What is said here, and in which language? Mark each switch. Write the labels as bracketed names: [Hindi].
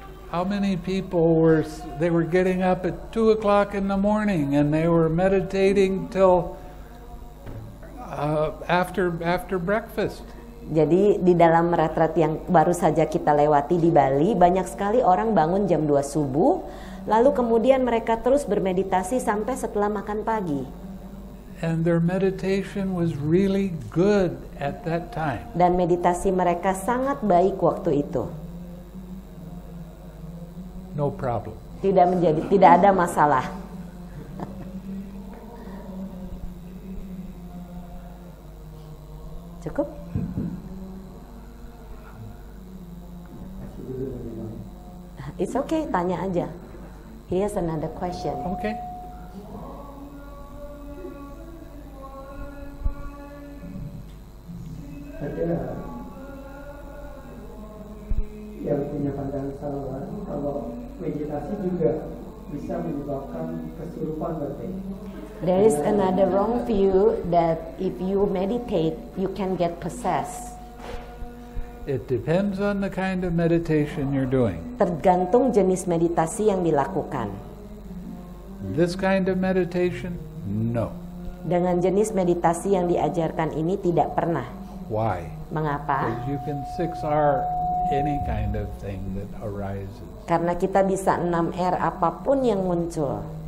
[English] How many people were getting up at 2 o'clock in the morning and they were meditating till after breakfast. [Indonesian] Jadi di dalam retret yang baru saja kita lewati di Bali, banyak sekali orang bangun jam 2 subuh, lalu kemudian mereka terus bermeditasi sampai setelah makan pagi. [English] And their meditation was really good at that time. [Indonesian] Dan meditasi mereka sangat baik waktu itu. [English] No problem. [Indonesian] Tidak ada masalah. Cukup? [English] It's okay, [Indonesian] tanya aja. [English] Here's another question. Okay. [Indonesian] Ada yang punya pandangan salah kalau meditasi juga bisa menyebabkan kesurupan berarti. [English] There is another wrong view that if you meditate, you can get possessed. It depends on the kind of meditation you're doing. [Indonesian] Tergantung jenis meditasi yang dilakukan. [English] This kind of meditation, no. [Indonesian] Dengan jenis meditasi yang diajarkan ini tidak pernah. [English] Why? [Indonesian] Mengapa? [English] Because you can 6R any kind of thing that arises. [Indonesian] Karena kita bisa 6R apapun yang muncul.